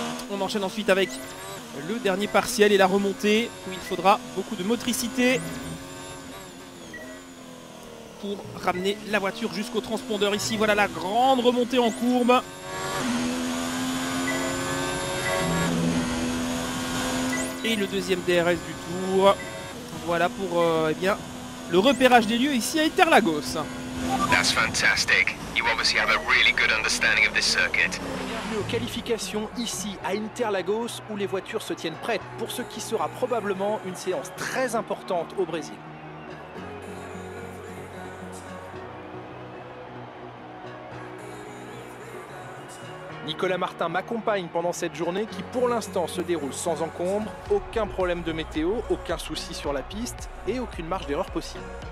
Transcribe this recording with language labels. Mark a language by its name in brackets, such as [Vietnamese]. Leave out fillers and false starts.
[French] On enchaîne ensuite avec le dernier partiel et la remontée où il faudra beaucoup de motricité pour ramener la voiture jusqu'au transpondeur. Ici, voilà la grande remontée en courbe. Et le deuxième DRS du tour. Voilà pour eh bien, le repérage des lieux ici à Interlagos. [English] That's fantastic. You obviously have a really good understanding of this circuit. [French] Bienvenue aux qualifications ici à Interlagos, où les voitures se tiennent prêtes pour ce qui sera probablement une séance très importante au Brésil. Nicolas Martin m'accompagne pendant cette journée qui pour l'instant se déroule sans encombre, aucun problème de météo, aucun souci sur la piste et aucune marge d'erreur possible.